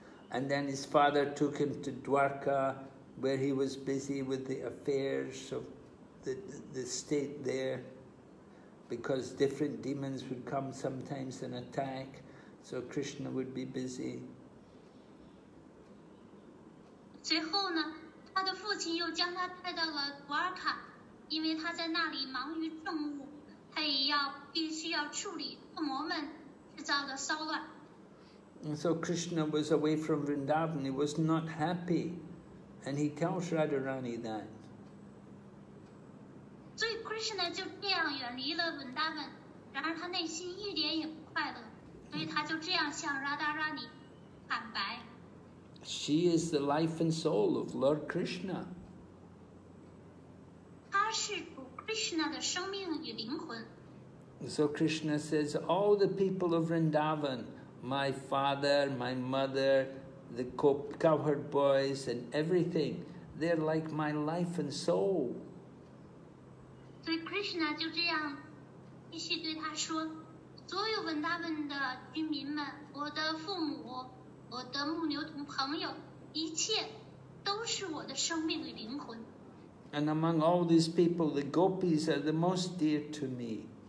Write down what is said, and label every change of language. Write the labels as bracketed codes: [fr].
[en] And then his father took him to Dwarka, where he was busy with the affairs of the state there, because different demons would come sometimes and attack, so Krishna would be busy. [zh] 最后呢，他的父亲又将他带到了 Dwarka, 因为他在那里忙于政务，他也要必须要处理恶魔们制造的骚乱。 [en] And so Krishna was away from Vrindavan, he was not happy. And he tells Radharani that. So [zh] Krishna 就这样远离了 Vrindavan, 然而他内心一点也不快乐，所以他就这样向 Radharani 坦白。 [en] She is the life and soul of Lord Krishna. [zh] 他是 Krishna 的生命与灵魂。 [en] So Krishna says, all the people of Vrindavan,My father, my mother, the cowherd boys, and everything, they're like my life and soul. So [zh] Krishna 就这样继续对他说，所有文达文的居民们，我的父母，我的牧牛同朋友，一切都是我的生命与灵魂。 [en] And among all these people, the gopis are the most dear to me.